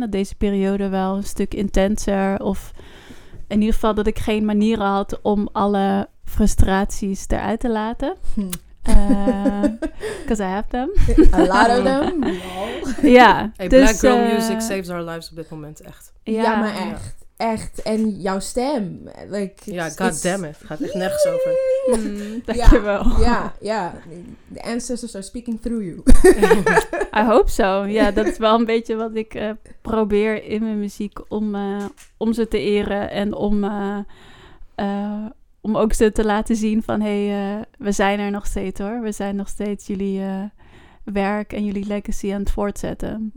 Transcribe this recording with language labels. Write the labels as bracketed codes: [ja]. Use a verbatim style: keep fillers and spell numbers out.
[nl] Dat deze periode wel een stuk intenser. Of in ieder geval dat ik geen manieren had om alle frustraties eruit te laten. [en] Because uh, I have them. A lot of them. [nl] Ja. Hey, dus, [en] black girl uh, music saves our lives [nl] op dit moment, echt. Ja, ja maar echt. echt. En jouw stem. Like, ja, goddammit. Het gaat echt nergens over. Mm, dankjewel. Ja, ja, ja. [en] The ancestors are speaking through you. I hope so. [nl] Ja, dat is wel een beetje wat ik uh, probeer in mijn muziek. Om, uh, om ze te eren en om... Uh, uh, om ook ze te laten zien van... hé, hey, uh, we zijn er nog steeds hoor. We zijn nog steeds jullie uh, werk en jullie legacy aan het voortzetten.